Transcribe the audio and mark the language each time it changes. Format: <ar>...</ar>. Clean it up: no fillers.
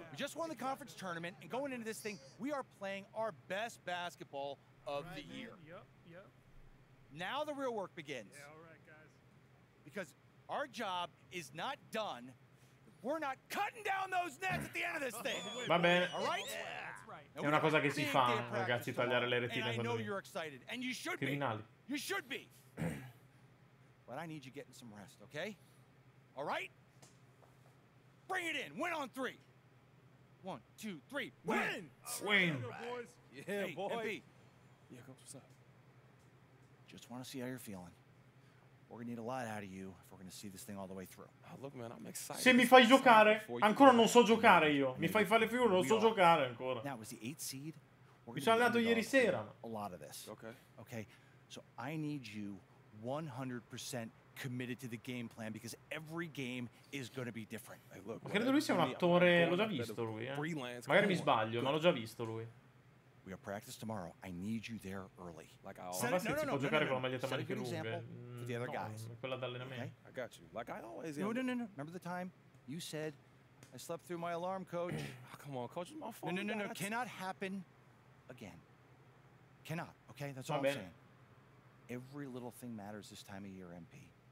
<en>We just won the conference tournament, and going into this thing, we are playing our best basketball of right, the year. Man. Yep. Now the real work begins. Yeah, all right, guys. Because our job is not done. We're not cutting down those nets at the end of this thing.</en> <it>Va bene.</it> <en>All right?</en> <it>Yeah. È una cosa che si fa, ragazzi, tagliare le retine.</it> <en>And I know you're excited, and you should be. You should be. But I need you getting some rest, okay? All right? Bring it in. Win on three. One, two, three. Win! Win! Right. Yeah, hey, boy. MP. Yeah, Coach, what's up? Just want to see how you're feeling. We're going to need a lot out of you if we're going to see this thing all the way through. Oh, look, man, I'm excited.</en> <it>Se mi fai giocare, ancora non so giocare io. Mi fai fare figure, non so giocare ancora.</it> <en>That was the eighth seed.</en> <it>Mi sono andato ieri sera.</it> <en>A lot of this. Okay. Okay? So I need you 100% committed to the game plan because every game is going to be different. Hey, look,</en> <it>ma credo lui sia un attore, l'ho già visto lui, eh. Magari mi sbaglio, ma l'ho già visto lui.</it> <en>We have practice tomorrow. I need you there early. Like I always say,</en> <it>si può giocare con la maglietta maniche lunghe.</it> <en>For the other guys.</en> <it>Quella d'allenamento.</it> <en>I got you. Like I always No, no, no, no. Remember the time you said I slept through my alarm, coach? Oh, come on, coach, it's my fault. No, no, no, no. Cannot happen again. Cannot. Okay? That's all I'm saying. Every little thing matters this time of year, MP.</en>